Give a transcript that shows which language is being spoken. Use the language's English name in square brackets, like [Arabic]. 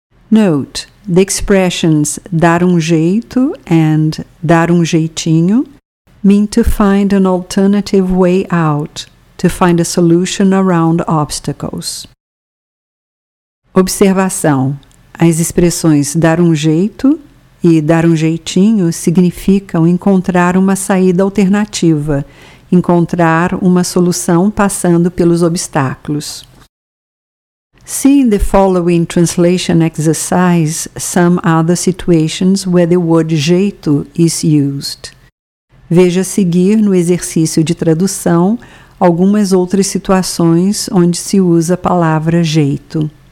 [English] Note, the expressions dar um jeito and dar um jeitinho mean to find an alternative way out, to find a solution around obstacles. [Portuguese] Observação. As expressões dar um jeito e dar um jeitinho significam encontrar uma saída alternativa, encontrar uma solução passando pelos obstáculos. [English] See in the following translation exercise some other situations where the word jeito is used. [Portuguese] Veja a seguir no exercício de tradução algumas outras situações onde se usa a palavra jeito.